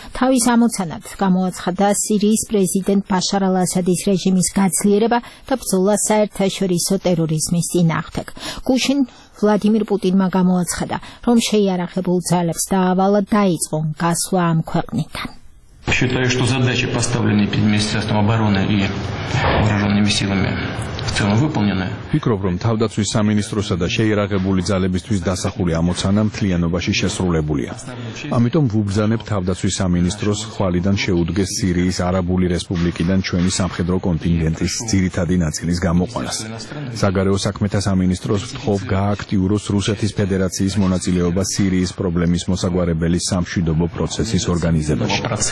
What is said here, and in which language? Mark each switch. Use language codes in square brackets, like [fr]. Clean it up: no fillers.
[ka] თავის ამოცანად გამოაცხადა სირიის პრეზიდენტ ბაშარ ალ-ასადის რეჟიმის გაძლიერება და ბრძოლა საერთაშორისო ტერორიზმის წინააღმდეგ. გუშინ ვლადიმირ პუტინმა გამოაცხადა, რომ შეიარაღებულ ძალებს დაავალა დაიწყონ გასვლა ამ ქვეყნიდან. [ru] Считаю, что задачи, поставленные перед Министерством обороны и вооруженными силами, в целом выполнены. [ka] Фикров, რომ თავდაცვის სამინისტროსა და შეიარაღებული ძალებისთვის დასახული ამოცანა მთლიანობაში შესრულებულია. ამიტომ ვუბრძანებ თავდაცვის სამინისტროს ხვალიდან შეუდგეს სირიის არაბული რესპუბლიკიდან ჩვენი სამხედრო კონტინგენტის ძირითადი ნაწილის გამოყვანას. საგარეო საქმეთა სამინისტროს ვთხოვ გააქტიუროს რუსეთის ფედერაციის მონაწილეობა სირიის პრობლემის მოსაგვარებელი სამშვიდობო პროცესის ორგანიზებაში.